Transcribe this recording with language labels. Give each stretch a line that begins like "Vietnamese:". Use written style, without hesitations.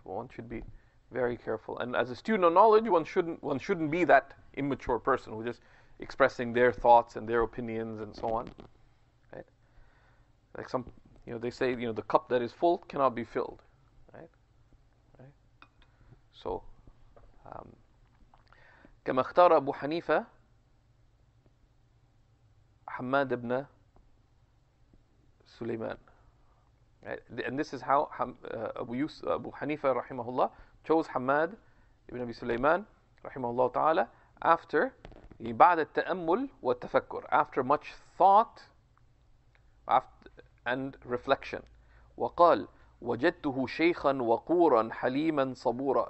English: Well, one should be very careful. And as a student of knowledge, one shouldn't be that immature person who just expressing their thoughts and their opinions and so on, right? Like some, you know, they say, you know, the cup that is full cannot be filled, right? Right. So.
Arabic: كما اختار أبو حنيفة حماد بن سليمان.
English: And this is how Abu Hanifa rahimahullah chose Hamad ibn Abi Sulaiman rahimahullah ta'ala after
Arabic: بعد التأمل والتفكر,
English: after much thought and reflection.
Arabic: وقال وجدته شيخا وقورا حليما صبورا.